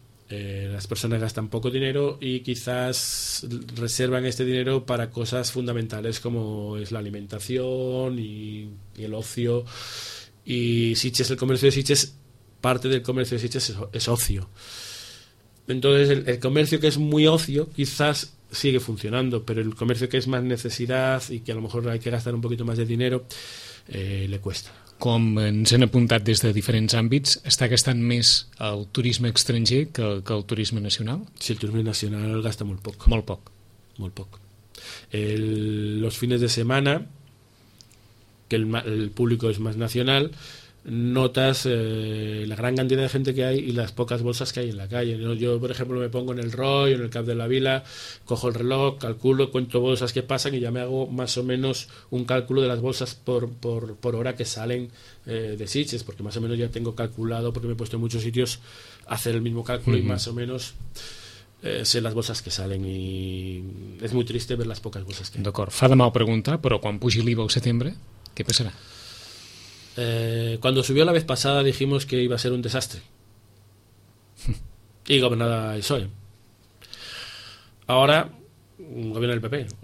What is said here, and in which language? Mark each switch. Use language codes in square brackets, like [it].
[es] Las personas gastan poco dinero y quizás reservan este dinero para cosas fundamentales como es la alimentación y el ocio. Y Sitges, el comercio de Sitges, parte del comercio de Sitges es ocio. Entonces el comercio que es muy ocio quizás sigue funcionando, pero el comercio que es más necesidad y que a lo mejor hay que gastar un poquito más de dinero, le cuesta. [ca] Com ens han apuntat des de diferents àmbits, està gastant més el turisme estranger que el turisme nacional? Sí, el turisme nacional gasta molt poc. Molt poc. Molt poc. [es] Los fines de semana, que el público es más nacional, notas la gran cantidad de gente que hay y las pocas bolsas que hay en la calle. Yo, por ejemplo, me pongo en el Roy, en el Cap de la Vila, cojo el reloj, calculo, cuento bolsas que pasan y ya me hago más o menos un cálculo de las bolsas por hora que salen de Sitges, porque más o menos ya tengo calculado, porque me he puesto en muchos sitios a hacer el mismo cálculo. Uh-huh. Y más o menos sé las bolsas que salen y es muy triste ver las pocas bolsas que hay. [ca] D'acord, fa de mal pregunta, però quan pugi l'IVA al setembre, què passarà? [es] Cuando subió la vez pasada dijimos que iba a ser un desastre. Y gobernada el PSOE. Ahora gobierna el PP.